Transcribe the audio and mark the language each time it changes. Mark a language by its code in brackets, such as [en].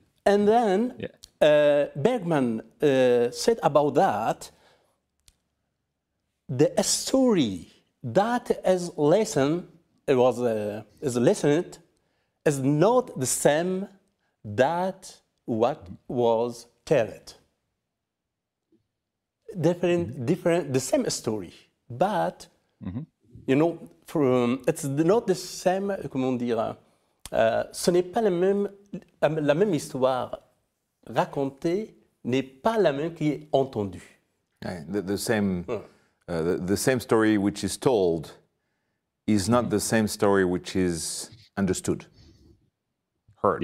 [en] And then Bergman said about that, the story that is listened, is not the same that what was told. Different, the same story, but you know, it's not the same. [fr] Comment dire? Ce n'est pas la même histoire racontée n'est pas la même qui est entendue. [en] The same. The same story which is told is not the same story which is understood, heard.